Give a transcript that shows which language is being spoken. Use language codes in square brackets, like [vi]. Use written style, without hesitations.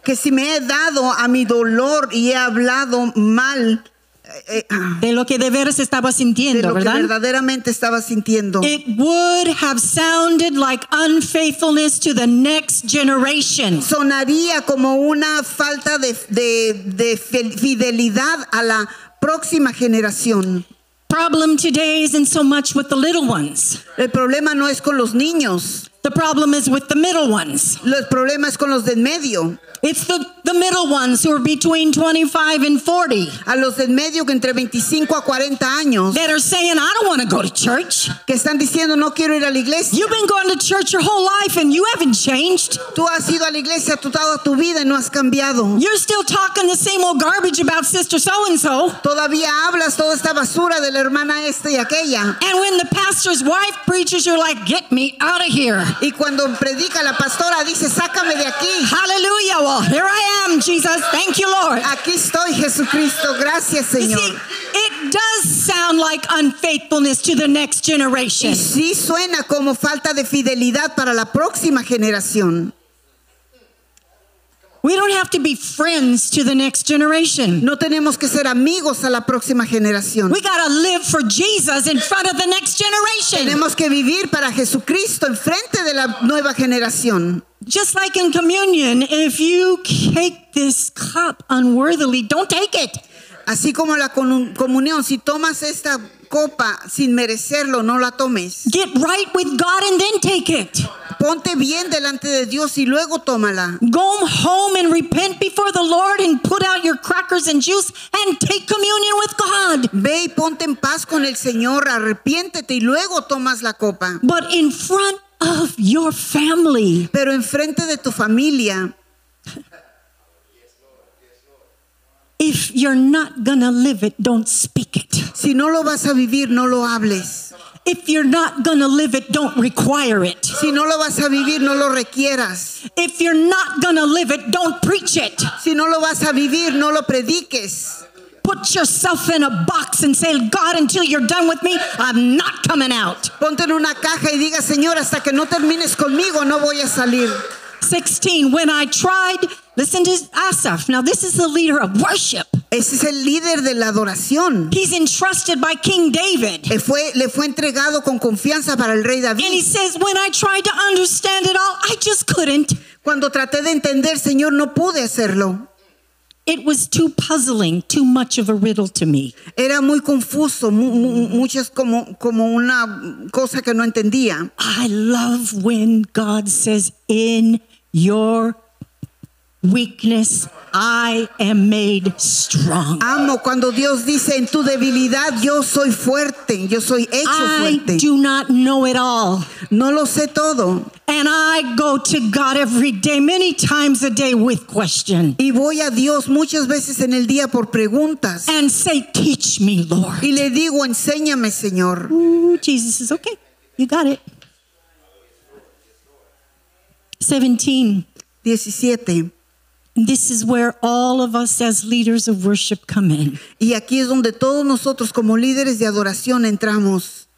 [es] que si me he dado a mi dolor y he hablado mal de lo que de veras estaba sintiendo, de lo ¿verdad? Que verdaderamente estaba sintiendo, [en] it would have sounded like unfaithfulness to the next generation. [es] Sonaría como una falta de fidelidad a la próxima generación. [en] Problem today isn't so much with the little ones. [es] El problema no es con los niños. [en] The problem is with the middle ones. [es] El problema es con los de en medio. [en] It's the middle ones who are between 25 and 40. [es] A los de en medio que entre 25 a 40 años. [en] That are saying, I don't want to go to church. [es] Que están diciendo, no quiero ir a la iglesia. [en] You've been going to church your whole life and you haven't changed. [es] Tú has ido a la iglesia toda tu vida y no has cambiado. [en] You're still talking the same old garbage about sister so-and-so. [es] Todavía hablas toda esta basura de la hermana esta y aquella. [en] And when the pastor's wife preaches, you're like, get me out of here. [es] Y cuando predica la pastora dice, sácame de aquí. [en] Hallelujah. Well, here I am, Jesus. Thank you, Lord. [es] Aquí estoy, Jesucristo. Gracias, Señor. [en] You see, it does sound like unfaithfulness to the next generation. [es] Y sí suena como falta de fidelidad para la próxima generación. [en] We don't have to be friends to the next generation. [es] No tenemos que ser amigos a la próxima generación. [en] We gotta live for Jesus in front of the next generation. [es] Tenemos que vivir para Jesucristo en frente de la nueva generación. [en] Just like in communion, if you take this cup unworthily, don't take it. [es] Así como la comunión, si tomas esta copa sin merecerlo, no la tomes. [en] Get right with God and then take it. [es] Ponte bien delante de Dios y luego tómala. [en] Go home and repent before the Lord and put out your crackers and juice and take communion with God. [es] Ve y ponte en paz con el Señor, arrepiéntete y luego tomas la copa. [en] But in front of your family. [es] Pero en frente de tu familia. [en] If you're not gonna live it, don't speak it. [es] Si no lo vas a vivir, no lo hables. [en] If you're not gonna live it, don't require it. [es] Si no lo vas a vivir, no lo requieras. [en] If you're not gonna live it, don't preach it. [es] Si no lo vas a vivir, no lo prediques. [en] Put yourself in a box and say, God, until you're done with me, I'm not coming out. [es] Ponte en una caja y diga, Señor, hasta que no termines conmigo, no voy a salir. [en] 16, when I tried, listen to Asaph. Now this is the leader of worship. [es] Ese es el líder de la adoración. [en] He's entrusted by King David. [es] Le fue entregado con confianza para el rey David. [en] And he says, when I tried to understand it all, I just couldn't. [es] Cuando traté de entender, Señor, no pude hacerlo. [en] It was too puzzling, too much of a riddle to me. [es] Era muy confuso, muchas como una cosa que no entendía. [en] I love when God says, in your weakness, I am made strong. [es] Amo cuando Dios dice en tu debilidad yo soy fuerte, yo soy hecho fuerte. [en] I do not know it all. [es] No lo sé todo. [en] And I go to God every day, many times a day with questions. [es] Y voy a Dios muchas veces en el día por preguntas. [en] And say, teach me, Lord. [es] Y le digo, enséñame, Señor. [en] Ooh, Jesus says, okay, you got it. 17. This is where all of us as leaders of worship come in. [es] Y aquí es donde todos nosotros como líderes de adoración entramos.